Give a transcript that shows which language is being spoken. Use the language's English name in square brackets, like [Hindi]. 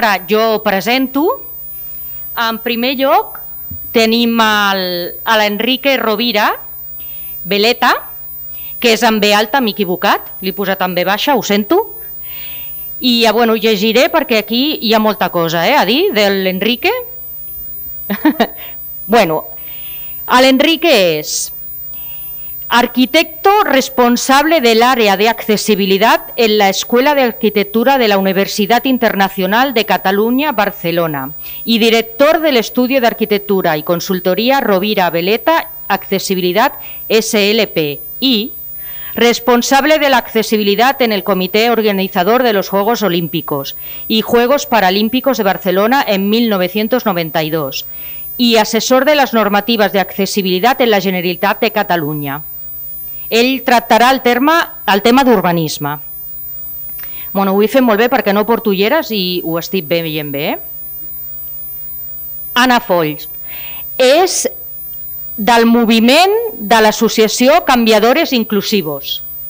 [Catalan] Ara jo presento. En primer lloc tenim l'Enrique Rovira Veleta, que és en B alta, m'he equivocat, l'he posat en B baixa, ho sento. I bueno, llegiré perquè aquí hi ha molta cosa a dir de l'Enrique. [Spanish] Bueno, [Catalan] l'Enrique és [Spanish] arquitecto responsable del área de accesibilidad en la Escuela de Arquitectura de la Universidad Internacional de Cataluña, Barcelona, y director del Estudio de Arquitectura y Consultoría Rovira Veleta Accesibilidad SLP, y responsable de la accesibilidad en el Comité Organizador de los Juegos Olímpicos y Juegos Paralímpicos de Barcelona en 1992, y asesor de las normativas de accesibilidad en la Generalitat de Cataluña. [Catalan] Ell tractarà el tema d'urbanisme. Bueno, ho he fet molt bé perquè no porto ulleres i ho estic veient bé. Anna Folls és del moviment de l'associació Canviadores Inclusivos.